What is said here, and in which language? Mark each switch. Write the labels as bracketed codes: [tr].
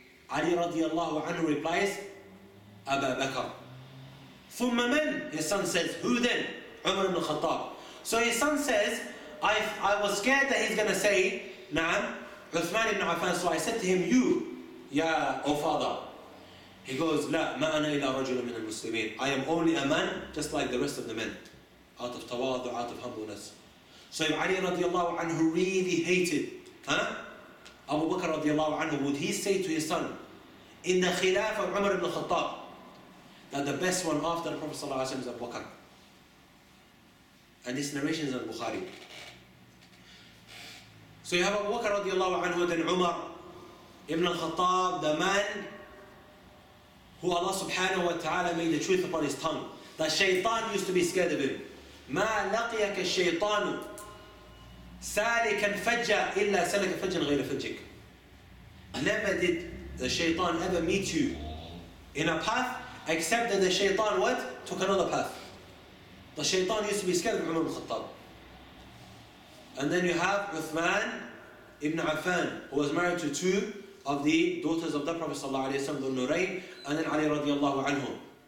[en] Ali radiallahu anhu replies, Abu Bakr. ثُمَّ مَنْ? His son says, who then? Umar ibn al-Khattab. So his son says, I was scared that he's going to say, نعم, Uthman ibn Affan. So I said to him, you, ya, O father. [ar] He goes, لا, ما أنا إلا رجل من المسلمين. [en] I am only a man, just like the rest of the men. Out of tawadu, out of humbleness. So if Ali radiallahu anhu really hated, Abu Bakr radiallahu anhu, would he say to his son, in the khilaf of Umar ibn al-Khattab, that the best one after the Prophet sallallahu alayhi wa sallam is Abu Bakr? And this narration is in Bukhari. So you have Abu Bakr radiallahu anhu, then Umar ibn al-Khattab, the man who Allah subhanahu wa ta'ala made the truth upon his tongue. That shaytan used to be scared of him. [ar] ما لقيك الشيطان سالكا فجا إلا سلك فجا غير فجك. [en] Never did the shaytan ever meet you in a path except that the shaytan what? Took another path. The shaytan used to be scared of Umar ibn Khattab. And then you have Uthman ibn Affan, who was married to two of the daughters of the Prophet sallallahu alayhi wa sallam, Dhul Nurayn, and then Ali radiallahu anhu.